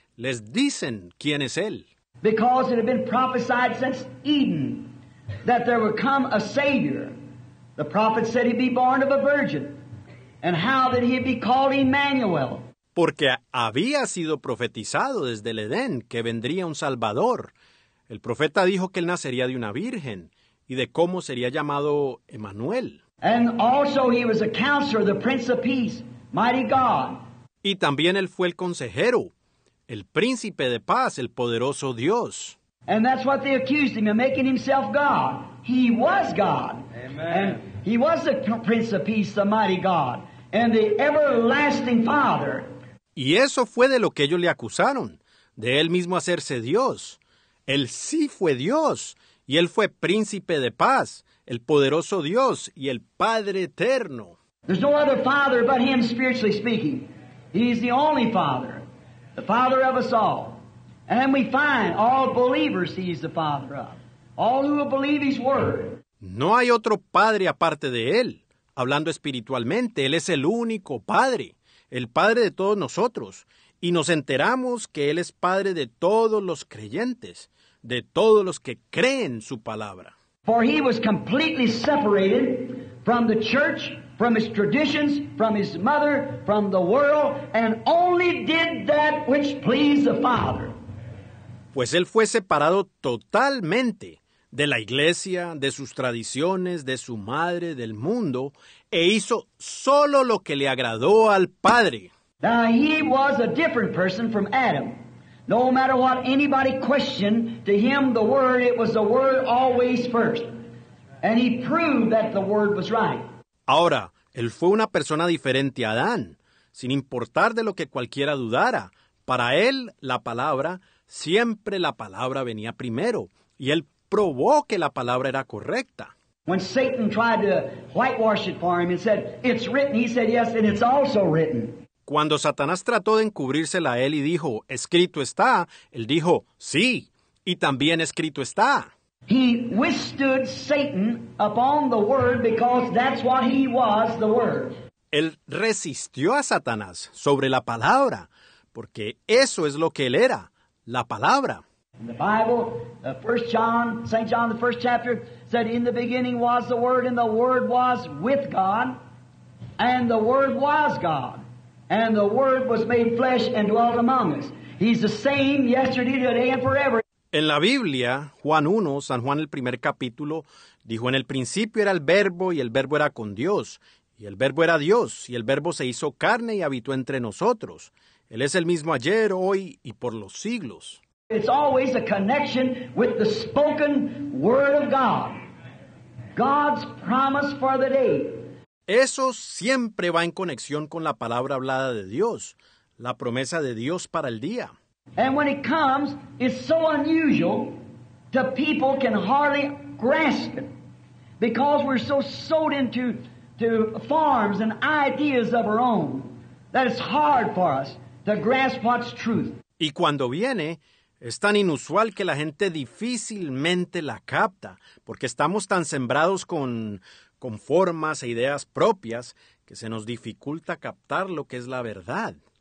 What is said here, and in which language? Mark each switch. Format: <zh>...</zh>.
<es>Les dicen quién es él.</es> <en>Because it had been prophesied since Eden that there would come a Savior. The prophet said he'd be born of a virgin. And how that he'd be called Emmanuel.</en> <es>Porque había sido profetizado desde el Edén que vendría un Salvador. El profeta dijo que él nacería de una virgen y de cómo sería llamado Emmanuel.</es> <en>And also he was a counselor, the Prince of Peace, Mighty God.</en> <es>Y también él fue el consejero, el Príncipe de Paz, el Poderoso Dios.</es> <en>And that's what they accused him of, making himself God. He was God. Amen. And he was the Prince of Peace, the Mighty God, and the Everlasting Father.</en> <es>Y eso fue de lo que ellos le acusaron, de él mismo hacerse Dios. Él sí fue Dios, y él fue Príncipe de Paz, el Poderoso Dios y el Padre Eterno.</es> <en>There's no other Father but him, spiritually speaking. He's the only Father. The Father of us all. And we find all believers he is the Father of. All who will believe his word.</en> <es>No hay otro Padre aparte de él. Hablando espiritualmente, él es el único Padre. El Padre de todos nosotros. Y nos enteramos que él es Padre de todos los creyentes. De todos los que creen su palabra.</es> <en>For he was completely separated from the church, from his traditions, from his mother, from the world, and only did that which pleased the Father.</en> <es>Pues él fue separado totalmente de la iglesia, de sus tradiciones, de su madre, del mundo, e hizo solo lo que le agradó al Padre.</es> <en>Now he was a different person from Adam. No matter what anybody questioned, to him the Word, it was the Word always first. And he proved that the Word was right.</en> <es>Ahora, él fue una persona diferente a Adán, sin importar de lo que cualquiera dudara. Para él, la palabra, siempre la palabra venía primero, y él probó que la palabra era correcta.</es> <en>When Satan tried to whitewash it for him and said, it's written, he said, yes, and it's also written.</en> <es>Cuando Satanás trató de encubrírsela a él y dijo, escrito está, él dijo, sí, y también escrito está.</es> <en>He withstood Satan upon the Word because that's what he was, the Word.</en> <es>Él resistió a Satanás sobre la palabra, porque eso es lo que él era, la palabra.</es> <en>In the Bible, First John, St. John, the first chapter, said, in the beginning was the Word, and the Word was with God, and the Word was God, and the Word was made flesh and dwelt among us. He's the same yesterday, today, and forever.</en> <es>En la Biblia, Juan 1, San Juan el primer capítulo, dijo, en el principio era el Verbo, y el Verbo era con Dios, y el Verbo era Dios, y el Verbo se hizo carne y habitó entre nosotros. Él es el mismo ayer, hoy y por los siglos.</es> <en>It's always a connection with the spoken word of God. God's promise for the day.</en> <es>Eso siempre va en conexión con la palabra hablada de Dios, la promesa de Dios para el día.</es> <en>And when it comes, it's so unusual that people can hardly grasp it because we're so sewed into forms and ideas of our own that it's hard for us to grasp what's truth.</en> <es>Y cuando viene, es tan inusual que la gente difícilmente la capta porque estamos tan sembrados con formas e ideas propias que se nos dificulta captar lo que es la verdad.</es>